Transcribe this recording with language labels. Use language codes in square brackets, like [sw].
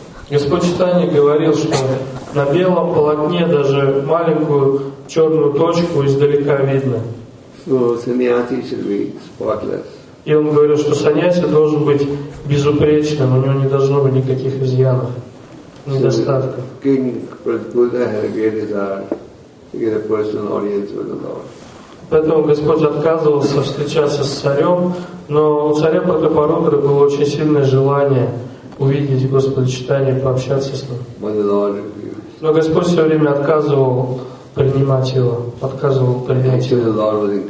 [ru] Господь Чайтанья говорил, что на белом полотне даже маленькую черную точку издалека видно. [en] So sannyasi should be spotless. [ru] И он говорил, что саньяси должен быть безупречным, у него не должно быть никаких изъянов, недостатков. [en] King Prataparudra had a great desire to get a personal audience with the Lord. [ru] Поэтому Господь отказывался встречаться с царем, но у царя Пратапарудры было очень сильное желание увидеть Господа Чайтанью, пообщаться с ним. Но Господь все время отказывал принимать его, отказывал принять его.